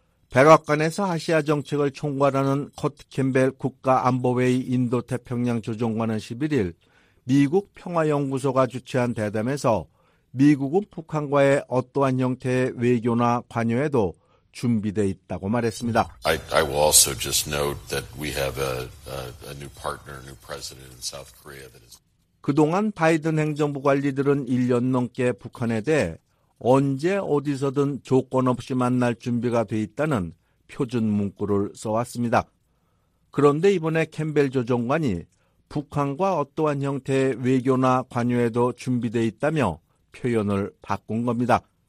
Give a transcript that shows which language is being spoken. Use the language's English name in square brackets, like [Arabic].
[Korean] 백악관에서 아시아 정책을 총괄하는 커트 캠벨 국가안보회의 인도태평양 조정관은 11일 미국 평화연구소가 주최한 대담에서 미국은 북한과의 어떠한 형태의 외교나 관여에도 준비되어 있다고 말했습니다. [English] I will also just note that we have a new partner, new president in South Korea that is [Korean] 그동안 바이든 행정부 관리들은 1년 넘게 북한에 대해 언제 어디서든 조건 없이 만날 준비가 돼 있다는 표준 문구를 써왔습니다. 그런데 이번에 캠벨 조정관이 북한과 어떠한 형태의 외교나 관여에도 준비돼 있다며 표현을 바꾼 겁니다.